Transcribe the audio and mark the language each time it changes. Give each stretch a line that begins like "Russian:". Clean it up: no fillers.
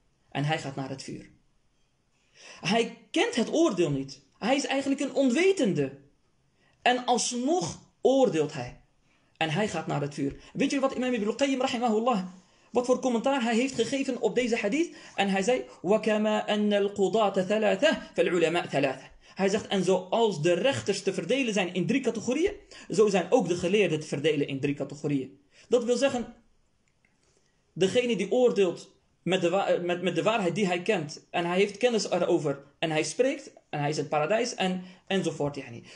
Dutch: En hij gaat naar het vuur. Hij kent het oordeel niet. Hij is eigenlijk een onwetende. En alsnog oordeelt hij. En hij gaat naar het vuur. Weet je wat imam Ibn Qayyim rahimahullah, wat voor commentaar hij heeft gegeven op deze hadith? En hij zei,
Arabic: وَكَمَا أَنَّ الْقُضَاةَ ثَلَاثَ فَالْعُلَمَاءَ ثَلَاثَ.
Dutch: Hij zegt, en zoals de rechters te verdelen zijn in drie categorieën, zo zijn ook de geleerden te verdelen in drie categorieën. Dat wil zeggen, degene die oordeelt met de waarheid die hij kent, en hij heeft kennis erover, en hij spreekt, en hij is het paradijs, enzovoort. Yani.